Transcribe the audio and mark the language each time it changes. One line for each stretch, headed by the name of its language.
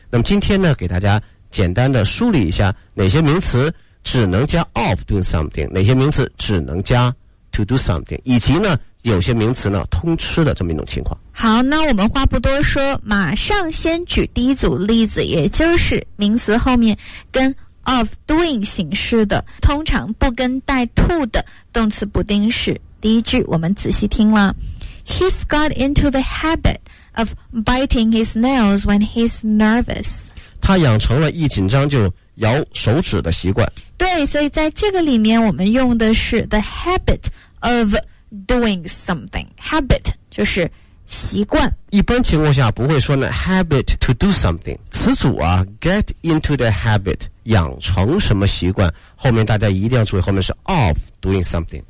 Chinese: 那么今天呢给大家简单的梳理一下哪些名词只能加
English: of doing something，
Chinese: 哪些名词只能加
English: to do something，
Chinese: 以及呢有些名词呢通吃的这么一种情况。好，那我们话不多说，马上先举第一组例子，也就是名词后面跟 of doing 形式的通常不跟带 to 的动词不定式。第一句我们仔细听了，
English: He's got into the habit of biting his nails when he's nervous，
Chinese: 他养成了一紧张就咬手指的习惯。对，所以在这个里面我们用的是
English: the habit of doing something，
Chinese: habit 就是习惯。一般情况下不会说呢
English: habit to do something，
Chinese: 词组啊
English: get into the habit
Chinese: 养成什么习惯，后面大家一定要注意后面是
English: of doing something。